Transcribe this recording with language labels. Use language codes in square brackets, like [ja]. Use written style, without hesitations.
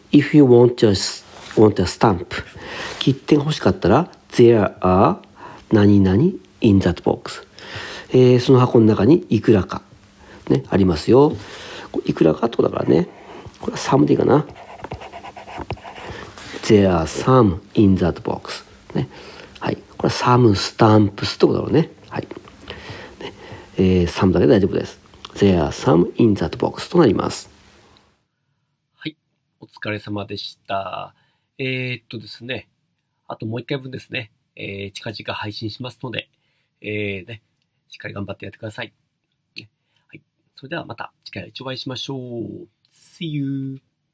[en] If you want a stamp, [ja] 切手が欲しかったら、 [en] there are [ja] 何々 [en] in that box、 [ja] その箱の中にいくらか、ね、ありますよ。いくらかってことだからね。これは some でいいかな。 [en] There are some in that box、 [ja] ね、はい、これは [en] some stamps [ja] ってことだろうね。はい、ね、some だけで大丈夫です。 [en] There are some in that box [ja] となります。お疲れ様でした。ですね、あともう一回分ですね、近々配信しますので、ね、しっかり頑張ってやってください。はい、それではまた次回お会いしましょう。 [en] See you!